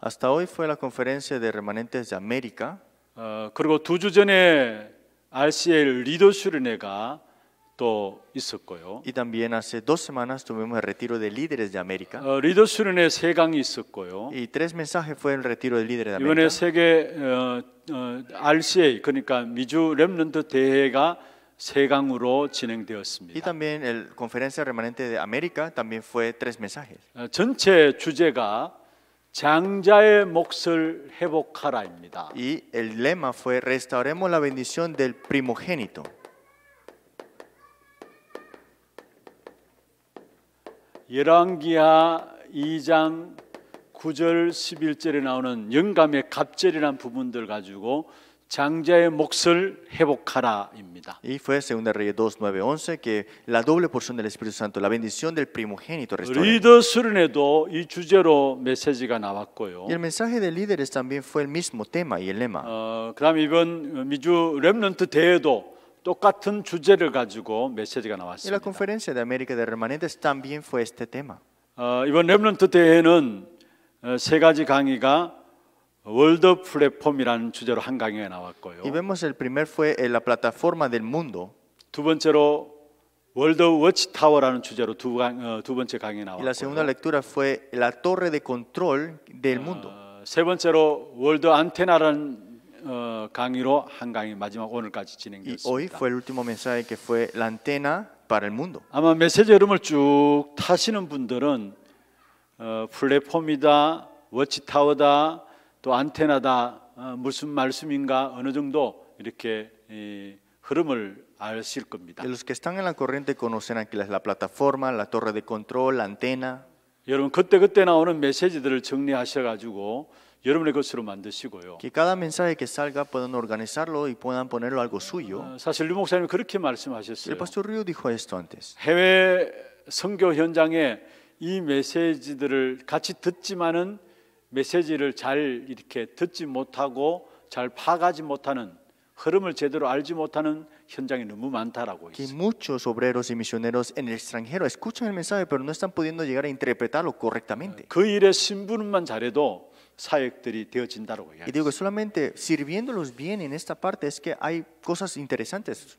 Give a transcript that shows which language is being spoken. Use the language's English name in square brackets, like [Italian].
[Spanish] Hasta hoy fue la conferencia de remanentes de América. [Korean] 그리고 두 주 전에 RCA 리더 수련회가 또 있었고요. [Spanish] Y también hace dos semanas tuvimos el retiro de líderes de América. [Korean] 리더 수련회 세 강이 있었고요. [Spanish] Y tres mensajes fue el retiro de líderes de América. [Korean] 이번에 세계 RCA 그러니까 미주 렘넌트 대회가 세 강으로 진행되었습니다. [Spanish] Y también el conferencia remanente de América también fue tres mensajes. [Korean] 전체 주제가 장자의 몫을 회복하라입니다. [Spanish] Y el lema fue restauremos la bendición del primogénito. [Korean] 열왕기하 2장 9절 11절에 나오는 영감의 갑절이란 부분들 가지고 장자의 몫을 회복하라입니다. [Spanish] Y fue segunda Reyes 2:9-11 que la doble porción del Espíritu Santo, la bendición del primogénito restaurado. [Korean] 리더 수련회도 이 주제로 메시지가 나왔고요. [Spanish] Y el mensaje de líderes también fue el mismo tema y el lema. [Korean] 그다음 이번 미주 렘넌트 대회도 똑같은 주제를 가지고 메시지가 나왔습니다. [Spanish] Y la conferencia de América de Remanentes también fue este tema. [Korean] 이번 렘넌트 대회는 세 가지 강의가 월드 플랫폼이라는 주제로 한 강의가 나왔고요. [Spanish] Y vemos el primer fue en la plataforma del mundo. [Korean] 두 번째로 월드 워치 타워라는 주제로 두 번째 강의 나왔고요. [Spanish] Y la segunda lectura fue la torre de control del mundo. [Korean] 세 번째로 월드 안테나라는 강의로 한 강의 마지막 오늘까지 진행됐습니다. [Spanish] Y hoy fue el último mensaje que fue la antena para el mundo. [Korean] 아마 메시지 흐름을 쭉 타시는 분들은 플랫폼이다, 워치 타워다, 또 안테나다 무슨 말씀인가 어느 정도 이렇게 흐름을 아실 겁니다. [Spanish] Los que están en la corriente conocerán que es la plataforma, la torre de control, la antena. [Korean] 여러분 그때 그때 나오는 메시지들을 정리하셔 가지고 여러분의 것으로 만드시고요. [Spanish] Que cada mensaje que salga puedan organizarlo y puedan ponerlo algo suyo. [Korean] 사실 류 목사님 그렇게 말씀하셨어요. [Spanish] El pastor Ryu dijo esto antes. [Korean] 해외 선교 현장에 이 메시지들을 같이 듣지만은 메시지를 잘 이렇게 듣지 못하고 잘 파악하지 못하는 흐름을 제대로 알지 못하는 현장이 너무 많다라고 했어요. [Spanish] Que muchos obreros y misioneros en el extranjero escuchan el mensaje pero no están pudiendo llegar a interpretarlo correctamente. [Korean] 그 일에 신분만 잘해도 사역들이 되어진다라고 해요. [Spanish] Y digo solamente sirviéndolos bien en esta parte es que hay cosas interesantes.